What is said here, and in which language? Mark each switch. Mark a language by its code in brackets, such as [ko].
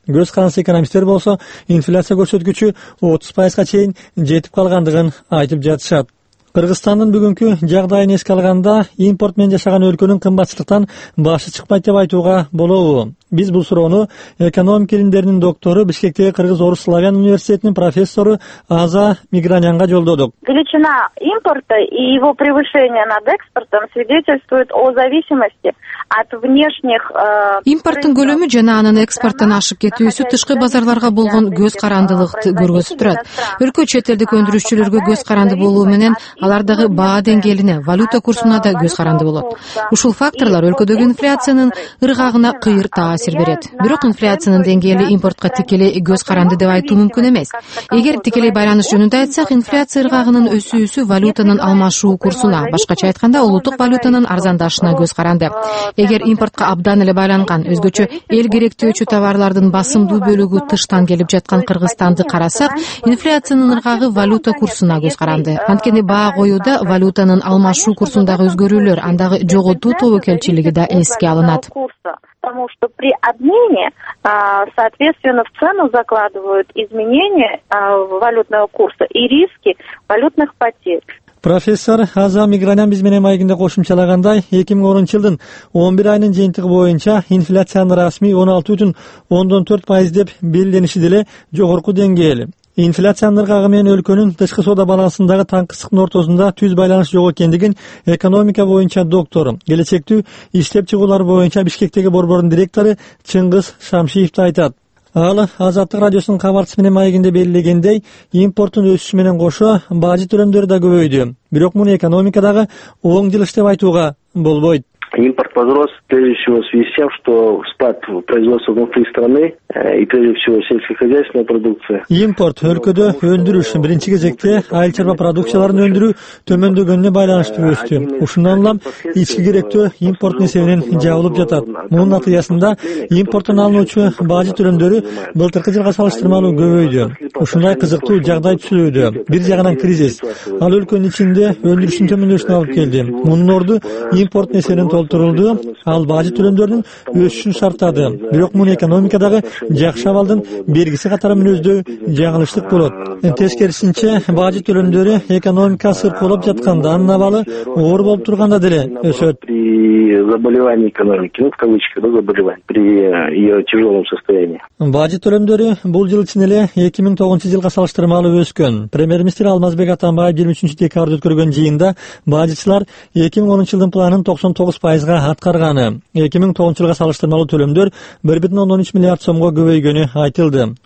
[ky] Көз карансы экономисттер болсо инфляция көрсөткүчү 30% чейин жетип калгандыгын айтып жатышат. Кыргызстандын бүгүнкү жагдайын эске алганда импорт менен жашаган өлкөнүн кымбатчылыктан башы чыкпайт деп айтууга болобу? Биз бул суроону экономика илимдеринин доктору, Бишкектеги Кыргыз Орус Славян университетинин профессору Аза Мигранянга жолдодук. [ru] Величина импорта и его превышение над экспортом свидетельствует о зависимости от внешних [ky] импорттун көлөмү жана анын экспорттон ашып кетүүсү тышкы базарларга болгон көз карандылыкты көрсөтүп турат. Өлкө чет элдик өндүрүүчүлөргө көз каранды болуу менен алар дагы баа деңгээлине, валюта курсуна да көз каранды болот. Ушул факторлор өлкөдөгү инфляциянын ыргагына кыйыр таасир берет. Бирок инфляциянын деңгээли импортко тикелей көз каранды деп айтуу мүмкүн эмес. Эгер тикелей байланыш жөнүндө айтсак, инфляция ыргагынын өсүүсү валютанын алмашуу курсуна, башкача айтканда улуттук валютанын арзандашына көз каранды. Эгер импортко абдан эле байланган, өзгөчө эл керектөөчү товарлардын басымдуу бөлүгү тыштан келип жаткан Кыргызстанды карасак, инфляциянын ыргагы валюта курсуна көз каранды. Анткени баа коюуда валютанын алмашуу курсундагы өзгөрүүлөр, андагы жоготуу тобокелчилиги да эске алынат. [ru] Потому что при обмене, соответственно, в цену закладывают изменения валютного курса и риски валютных потерь. [ky] Профессор Аза Мигранян биз менен маегинде кошумчалагандай, 2010 жылдын 11 айынын жыйынтыгы боюнча инфляциянын расмий 16.4% деп белгилениши деле жогорку деңгээл. Инфляциянын ыргагы менен өлкөнүн тышкы соода балансындагы таңкысыктын ортосунда түз байланыш жок экендигин экономика боюнча доктор, келечектүү иштеп чыгуулар боюнча Бишкектеги борборунун директору Чыңгыз Шамшиев да айтат. Ал Азаттык радиосунун кабарчысы менен маегинде белгилегендей, импорттун өсүшү менен кошо бажы төлөмдөрү да көбөйдү. Бирок муну экономикадагы оң жылыш деп айтууга болбойт. [ru] Импорт возрос прежде всего в связи с тем, что спад производства внутри страны и прежде всего сельскохозяйственная продукция. [ky] Импорт өлкөдө өндүрүш, биринчи кезекте айыл чарба продукцияларын өндүрүү төмөндөгөнүнө байланыштуу өстү. Ушундан улам ички керектөө импорттун эсебинен жабылып жатат. Мунун натыйжасында импорттон алынуучу бажы төлөмдөрү былтыркы жылга салыштырмалуу көбөйдү. Ушундай кызыктуу жагдай түзүлүүдө. Бир жагынан кризис ал өлкөнүн ичинде өндүрүштүн төмөндөшүнө алып келди. Мунун орду импорттун эсебинен толтурулду, ал бажы төлөмдөрүнүн өсүшүн шарттады. Бирок муну экономикадагы жакшы абалдын белгиси катары мүнөздөө жаңылыштык болот. Тескерисинче, бажы төлөмдөрү экономика сыркылып жатканда, анын абалы оор болуп турганда деле өсөт. [ru] При заболевании экономики, в кавычках, да, заболевание, при ее тяжелом состоянии. [ky] Бажы төлөмдөрү бул жыл ичинде эле 2009 жылга салыштырмалуу өскөн. Премьер-министр Алмазбек Атамбаев 23 декабрды өткөргөн жыйында бажычылар 2010 жылдын планын 99% аткарганы, 2009 жылга салыштырмалуу төлөмдөр 1.13 миллиард сомго көбөйгөнү айтылды.